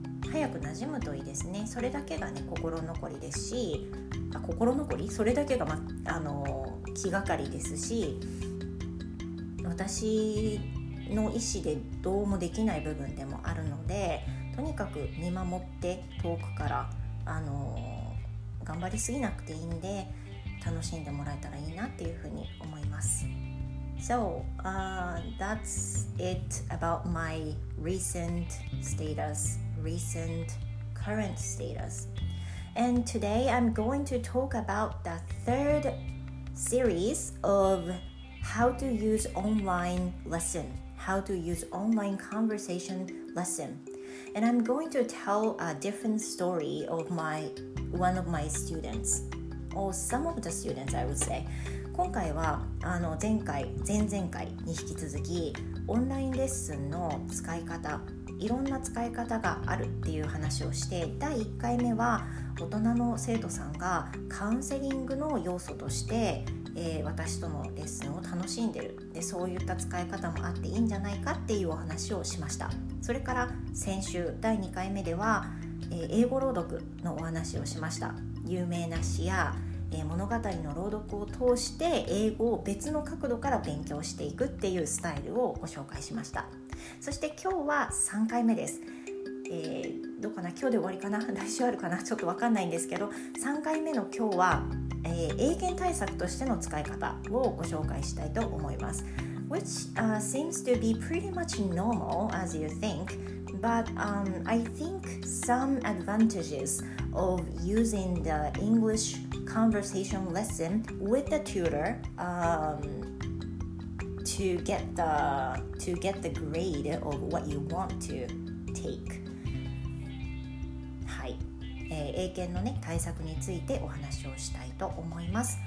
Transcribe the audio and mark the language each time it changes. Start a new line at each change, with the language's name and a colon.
Japanese: 早く馴染むといいですね。それだけがね心残りですし、それだけが、ま、あの気がかりですし、私の意思でどうもできない部分でもあるので、とにかく見守って、遠くから頑張りすぎなくていいんで、楽しんでもらえたらいいなっていうふうに思います。
English: So that's it about my recent status, recent current status. And today I'm going to talk about the third series of how to use online lesson, how to use online conversation lesson. And I'm going to tell a different story of one of my students, or some of the students, I would say.
Japanese: 今回はあの前回、前々回に引き続き、オンラインレッスンの使い方、いろんな使い方があるっていう話をして、第1回目は大人の生徒さんがカウンセリングの要素として、私とのレッスンを楽しんでる、でそういった使い方もあっていいんじゃないかっていうお話をしました。それから先週第2回目では、英語朗読のお話をしました。有名な詩や、物語の朗読を通して英語を別の角度から勉強していくっていうスタイルをご紹介しました。そして今日は3回目です。どうかな、今日で終わりかな、来週あるかな、ちょっと分かんないんですけど、3回目の今日は、英検対策としての使い方をご紹介したいと思います。
English: Which seems to be pretty much normal as you think, but I think some advantages of using the English conversation lesson with the tutor to get the grade of what you want to take. はい、
Japanese: 英検のね対策についてお話をしたいと思います。